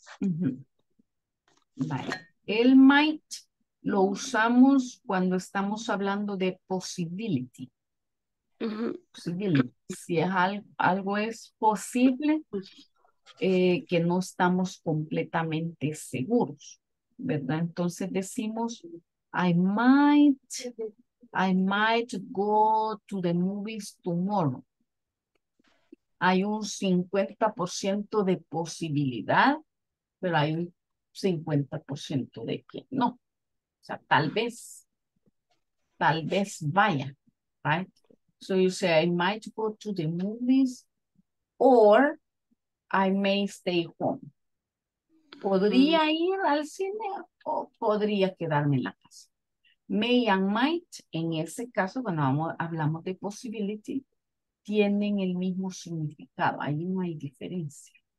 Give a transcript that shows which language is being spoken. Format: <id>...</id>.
<es>Uh-huh. Vale. El might lo usamos cuando estamos hablando de possibility. Uh-huh.</es> <en>Possibility.</en> <es>Si es algo es posible, que no estamos completamente seguros, ¿verdad? Entonces decimos,</es> <en>I might go to the movies tomorrow.</en> <es>Hay un 50% de posibilidad, pero hay un 50% de que no. O sea, tal vez vaya,</es> <en>right? So you say, I might go to the movies, or I may stay home.</en> <es>¿Podría ir al cine o podría quedarme en la casa? May and might, en ese caso, cuando hablamos de possibility, tienen el mismo significado. Ahí no hay diferencia.</es>